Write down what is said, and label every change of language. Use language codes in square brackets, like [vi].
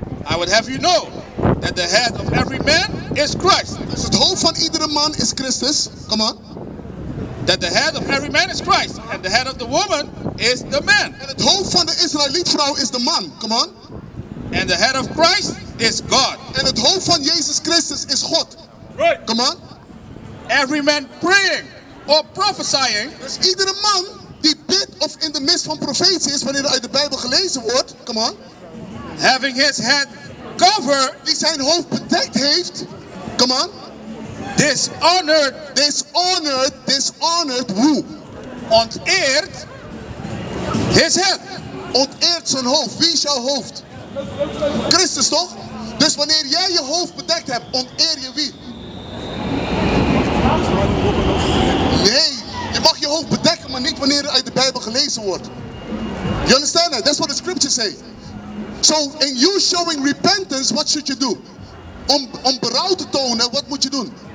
[en] I would have you know that the head of every man is Christ. [nl] Dus het hoofd van iedere man is Christus. [en] Come on. That the head of every man is Christ, and the head of the woman is the man. [nl] En het hoofd van de Israëliet vrouw is de man. [en] Come on. And the head of Christ is God. [nl] En het hoofd van Jezus Christus is God. [en] Right. Come on. Every man praying or prophesying. [nl] Dus iedere man die bidt of in de midst van profetie is, wanneer er uit de Bijbel gelezen wordt. [en] Come on. Having his head covered. [nl] Die zijn hoofd bedekt heeft. [en] Come on. Dishonored. Dishonored. Dishonored who? [nl] Onteerd. [en] His head. [nl] Onteerd zijn hoofd. Wie is jouw hoofd? Christus toch? Dus wanneer jij je hoofd bedekt hebt, oneer je wie? Nee, je mag je hoofd bedekken zeggen, maar niet wanneer het uit de Bijbel gelezen wordt. [en] You understand that? That's what the scriptures say. So, in you showing repentance, what should you do? [nl] Om berouw te tonen, wat moet je doen?